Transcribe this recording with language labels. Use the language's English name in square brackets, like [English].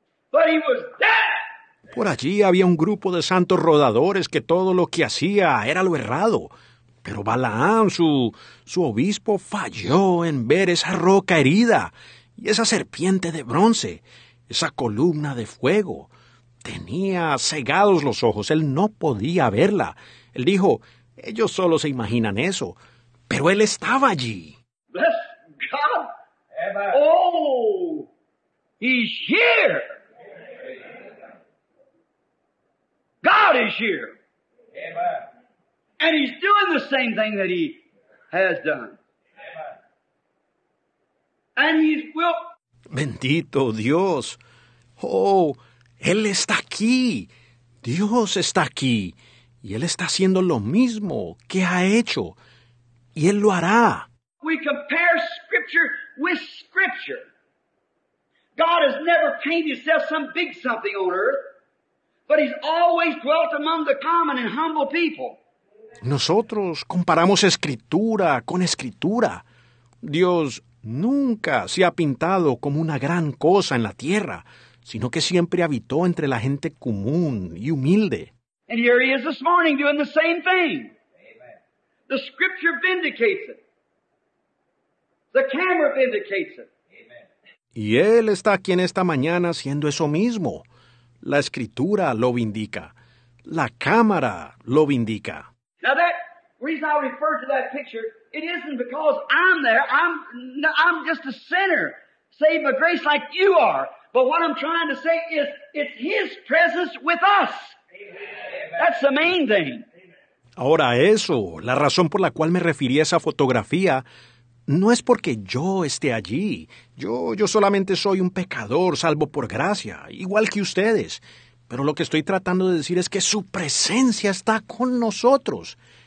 [English] But he was dead. [Spanish] Por allí había un grupo de santos rodadores que todo lo que hacía era lo errado. Pero Balaam, su obispo, falló en ver esa roca herida. y esa serpiente de bronce, esa columna de fuego. Tenía cegados los ojos, él no podía verla. Él dijo, ellos solo se imaginan eso, pero él estaba allí. [English] ¡Bless God! ¡Oh! ¡He's here! ¡God is here! And he's doing the same thing that he has done. And he's will. [Spanish] Bendito Dios. Oh, él está aquí. Dios está aquí. Y él está haciendo lo mismo que ha hecho. Y él lo hará. [English] We compare scripture with scripture. God has never painted himself some big something on earth. But he's always dwelt among the common and humble people. [Spanish] Nosotros comparamos escritura con escritura. Dios nunca se ha pintado como una gran cosa en la tierra, sino que siempre habitó entre la gente común y humilde. [English] And here he is this morning doing the same thing. Amen. The scripture vindicates it. The camera vindicates it. Amen. [Spanish] Y él está aquí en esta mañana haciendo eso mismo. La escritura lo vindica. La cámara lo vindica. [English] Now that reason I refer to that picture, it isn't because I'm there. I'm just a sinner, saved by grace like you are. But what I'm trying to say is, it's his presence with us. Amen. That's the main thing. [Spanish] Ahora eso, la razón por la cual me referí a esa fotografía, no es porque yo esté allí. Yo solamente soy un pecador, salvo por gracia, igual que ustedes. Pero lo que estoy tratando de decir es que su presencia está con nosotros.